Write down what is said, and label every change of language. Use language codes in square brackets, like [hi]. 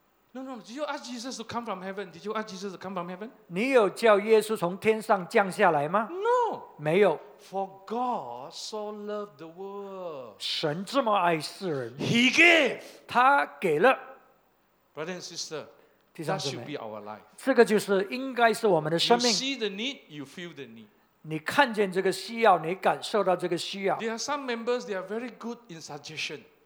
[en] No. Did you ask Jesus to come from heaven? Did you ask Jesus to come from heaven? [zh] 你有叫耶稣从天上降下来吗？ [en] No. [zh] 没有。 [en] For God so loved the world. [zh] 神这么爱世人。 [en] He gave. [zh] 他给了。 [en] Brother and sister. That should be our life. [zh] 这个就是应该是我们的生命。 [en] You see the need, you feel the need. [zh] 你看见这个需要，你感受到这个需要。 There [en] are some members, they are very good in suggestion.